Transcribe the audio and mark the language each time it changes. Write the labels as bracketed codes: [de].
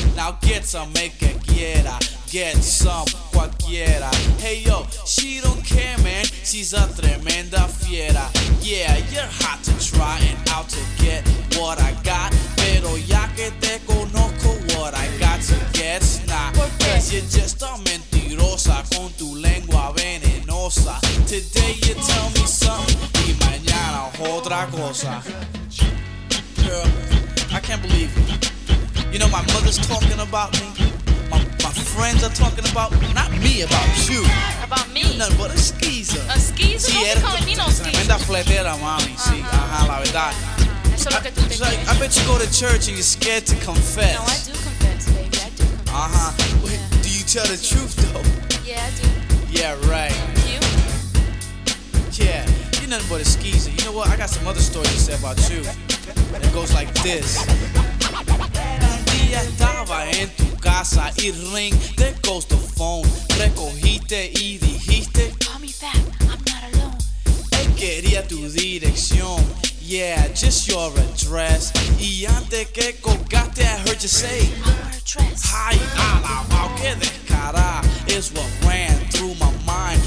[en] Now get some, [es] el que quiera, [en] get some, [es] cualquiera. [en] Hey yo, she don't care, man, she's a [es] tremenda fiera. [en] Yeah, you're hot to try and out to get what I got. [es] Pero ya que te conozco, [en] what I got to get's not. Cause you're just a [es] mentirosa con tu lengua venenosa. [en] Today you tell me something, [es] y mañana otra cosa. [en] Girl, I can't believe it. You know my mother's talking about me. My friends are talking about me. Not me, about you. About me? You're nothing but a skeezer. A skeezer? Don't be calling me no skeezer. [es] Tremenda fletera, mami. Sí, ajá, la verdad. [en] I bet you go to church and you're scared to confess. No, I do confess, baby. I do confess. Uh-huh. Wait, yeah. Do you tell the truth, though? Yeah, I do. Yeah, right. You? Yeah, you're nothing but a skeezer. You know what? I got some other stories to say about you. And it goes like this. [es] Un día estaba en tu casa y [en] ring, there goes the phone. [es] Recogiste y dijiste, [en] call me back, I'm not alone. [es] Quería tu dirección. [en] Yeah, just your address. [es] Y antes que colgaste, [en] I heard you say, I'm her dress. [es] Ay, alabao, que descara, [en] is what ran through my mind.